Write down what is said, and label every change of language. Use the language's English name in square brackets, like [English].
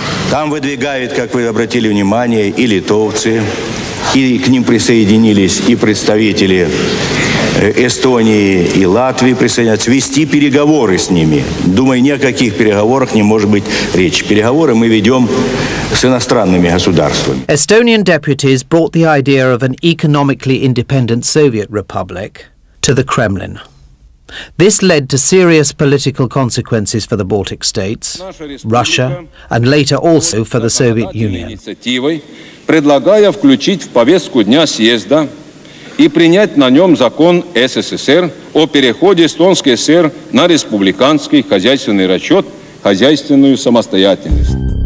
[Russian] Там выдвигают, как вы обратили внимание, и литовцы, и к ним присоединились и представители Эстонии и Латвии присоединяются, вести переговоры с ними. Думаю, ни о каких переговорах не может быть речи. Переговоры мы ведем с иностранными государствами. [English] Estonian deputies brought the idea of an economically independent Soviet Republic to the Kremlin. This led to serious political consequences for the Baltic states, Russia, and later also for the Soviet Union. [Russian] Предлагая включить в повестку дня съезда и принять на нем закон СССР о переходе Эстонской ССР на республиканский хозяйственный расчет, хозяйственную самостоятельность.